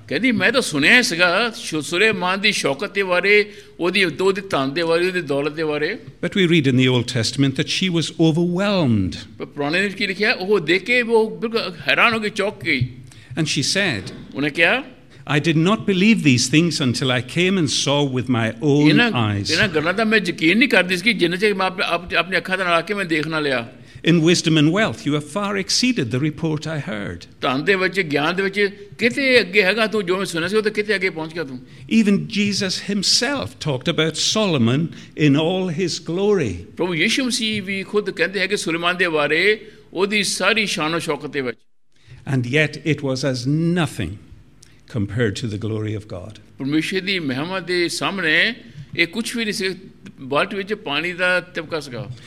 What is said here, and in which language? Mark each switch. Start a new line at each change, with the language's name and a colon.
Punjabi: ਕਹਿੰਦੀ ਮੈਂ ਤਾਂ ਸੁਣਿਆ ਸੀਗਾ ਸੁਲੇਮਾਨ ਦੀ ਸ਼ੌਕਤ ਦੇ ਬਾਰੇ ਉਹਦੀ ਉਹਦੀ ਧਨ ਦੇ ਬਾਰੇ ਉਹਦੀ ਦੌਲਤ ਦੇ ਬਾਰੇ.
English: But we read in the Old Testament that she was overwhelmed.
Punjabi: ਪਰ ਪੁਰਾਣੇ ਵਿੱਚ ਕੀ ਲਿਖਿਆ ਉਹ ਦੇਖ ਕੇ ਉਹ ਬਿਲਕੁਲ ਹੈਰਾਨ ਹੋ ਗਈ ਚੌਕ ਗਈ.
English: And she said,
Punjabi: ਉਹਨੇ ਕਿਹਾ,
English: I did not believe these things until I came and saw with my own eyes.
Punjabi: ਇਹਨਾਂ ਗੱਲਾਂ ਦਾ ਮੈਂ ਯਕੀਨ ਨਹੀਂ ਕਰਦੀ ਸੀ ਜਿੰਨੇ ਚਿਰ ਮੈਂ ਆਪਣੀ ਅੱਖਾਂ ਦੇ ਨਾਲ ਆ ਕੇ ਮੈਂ ਦੇਖ ਨਾ ਲਿਆ.
English: In wisdom and wealth you have far exceeded the report I heard.
Punjabi: ਤਾਂ ਦੇ ਵਿੱਚ ਗਿਆਨ ਦੇ ਵਿੱਚ ਕਿਤੇ ਅੱਗੇ ਹੈਗਾ ਤੂੰ ਜੋ ਮੈਂ ਸੁਣਿਆ ਸੀ ਉਹਦੇ ਕਿਤੇ ਅੱਗੇ ਪਹੁੰਚ ਗਿਆ ਤੂੰ.
English: Even Jesus himself talked about Solomon in all his glory.
Punjabi: ਪ੍ਰਭੂ ਯਿਸੂ ਮਸੀਹ ਵੀ ਖੁਦ ਕਹਿੰਦੇ ਹੈ ਕਿ ਸੁਲੇਮਾਨ ਦੇ ਬਾਰੇ ਉਹਦੀ ਸਾਰੀ ਸ਼ਾਨੋ ਸ਼ੌਕਤ ਦੇ ਵਿੱਚ
English: and yet it was as nothing compared to the glory of God
Punjabi: ਪਰਮੇਸ਼ਰ ਦੀ ਮਹਿਮਾ ਦੇ ਸਾਹਮਣੇ ਇਹ ਕੁਛ ਵੀ ਨਹੀਂ ਸੀ ਬਲਟ ਵਿੱਚ ਪਾਣੀ ਦਾ ਤਿਪਕਾ ਸੀਗਾ